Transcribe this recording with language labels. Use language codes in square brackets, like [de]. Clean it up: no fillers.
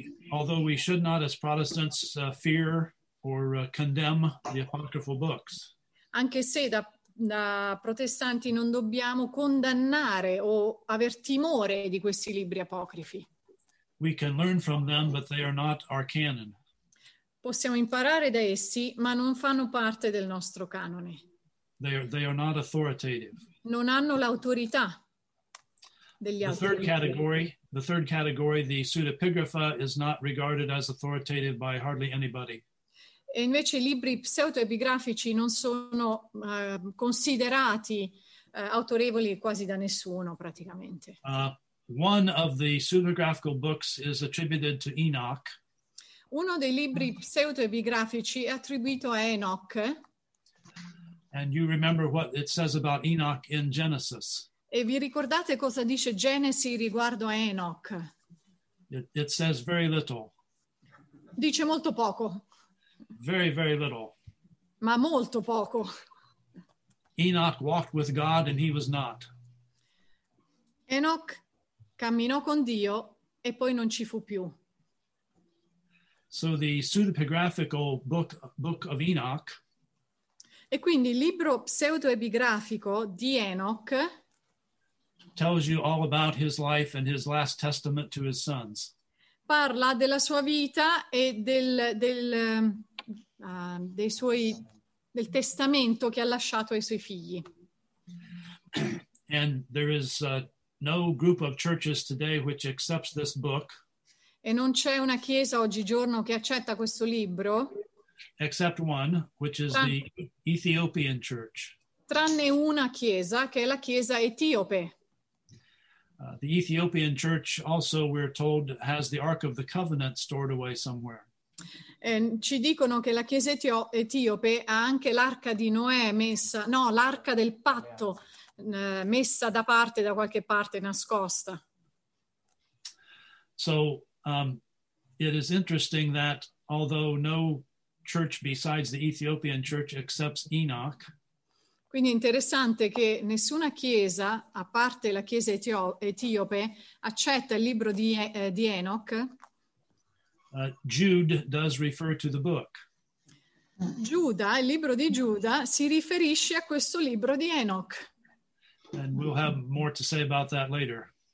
[en] Although we should not as Protestants fear or condemn the apocryphal books. [it] Anche se da protestanti non dobbiamo condannare o aver timore di questi libri apocrifi. [en] We can learn from them, but they are not our canon. [it] Possiamo imparare da essi, ma non fanno parte del nostro canone. [en] They are not authoritative. [it] Non hanno l'autorità degli altri. [en] The third category, the pseudepigrapha, is not regarded as authoritative by hardly anybody. [it] E invece i libri pseudoepigrafici non sono considerati autorevoli quasi da nessuno, praticamente. [en] One of the pseudepigraphical books is attributed to Enoch. [it] Uno dei libri pseudoepigrafici è attribuito a Enoch. [en] And you remember what it says about Enoch in Genesis. [it] E vi ricordate cosa dice Genesi riguardo a Enoch? [en] It says very little. [it] Dice molto poco. [en] Very, very little. [it] ma molto poco. [en] Enoch walked with God and he was not. [it] Enoch camminò con Dio e poi non ci fu più. [en] So the pseudepigraphical book of Enoch. [it] E quindi il libro pseudoepigrafico di Enoch [en] tells you all about his life and his last testament to his sons. [it] Parla della sua vita e del testamento che ha lasciato ai suoi figli. [en] And there is no group of churches today which accepts this book. [it] E non c'è una chiesa oggigiorno che accetta questo libro. [en] Except one, which is the Ethiopian church. [it] Tranne una chiesa, che è la chiesa etiope. [en] The Ethiopian church also, we're told, has the Ark of the Covenant stored away somewhere. [it] Ci dicono che la chiesa etiope ha anche l'arca di Noè messa, no, l'arca del patto messa da parte, da qualche parte, nascosta. [en] So, it is interesting that although no church besides the Ethiopian church accepts Enoch. [it] Quindi è interessante che nessuna chiesa, a parte la chiesa etiope, accetta il libro di Enoch. [en] Jude does refer to the book. [it] Giuda, il libro di Giuda, si riferisce a questo libro di Enoch. [en] And we'll have more to say about that later.